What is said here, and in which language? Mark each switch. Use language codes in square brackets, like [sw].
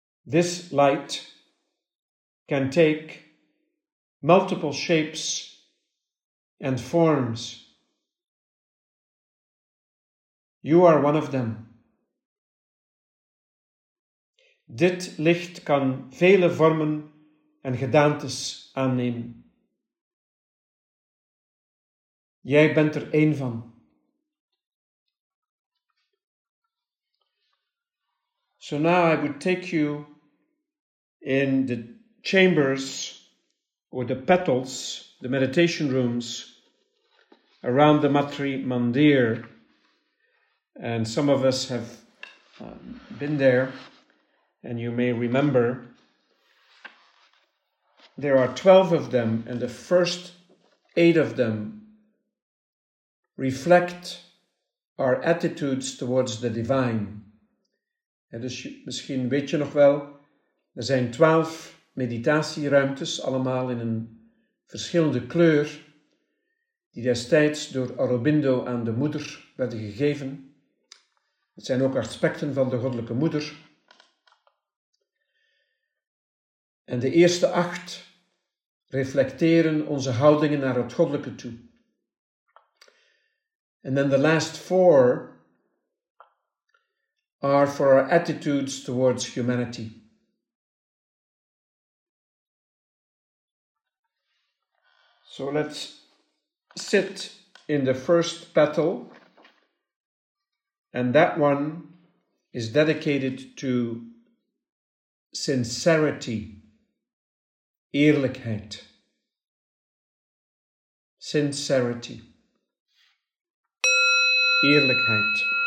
[en] This light can take multiple shapes and forms. You are one of them. [nl] Dit licht kan vele vormen en gedaantes aannemen. Jij bent er één van. [en] So now I would take you in the chambers or the petals, the meditation rooms around the Matri Mandir. And some of us have been there, and you may remember there are 12 of them, and the first 8 of them reflect our attitudes towards the divine. [nl] En dus misschien weet je nog wel, er zijn 12 meditatieruimtes, allemaal in een verschillende kleur, die destijds door Aurobindo aan de moeder werden gegeven. Het zijn ook aspecten van de goddelijke moeder. En de eerste 8 reflecteren onze houdingen naar het goddelijke toe. En dan de [en] last 4 are for our attitudes towards humanity. So let's sit in the first petal, and that one is dedicated to sincerity, eerlijkheid. Sincerity, eerlijkheid.